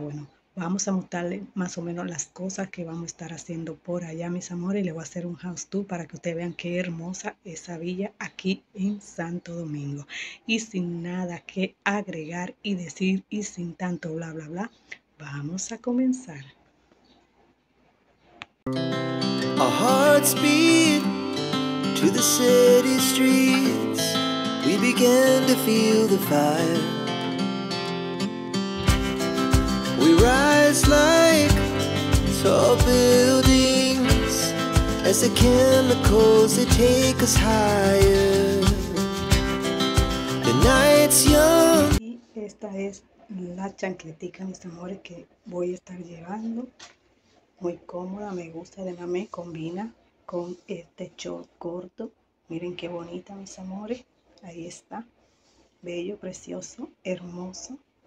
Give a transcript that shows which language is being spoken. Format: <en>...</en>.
<es>Bueno, vamos a mostrarle más o menos las cosas que vamos a estar haciendo por allá, mis amores, y le voy a hacer un house tour para que ustedes vean qué hermosa esa villa aquí en Santo Domingo. Y sin nada que agregar y decir y sin tanto bla bla bla, vamos a comenzar.</es> <en>Our hearts beat to the city streets. We began to feel the fire. We rise like tall buildings as the chemicals they take us higher. The night's young.</en> <es>Y esta es la chancletica, mis amores, que voy a estar llevando. Muy cómoda, me gusta, además me combina con este short corto. Miren qué bonita, mis amores. Ahí está. Bello, precioso, hermoso.</es>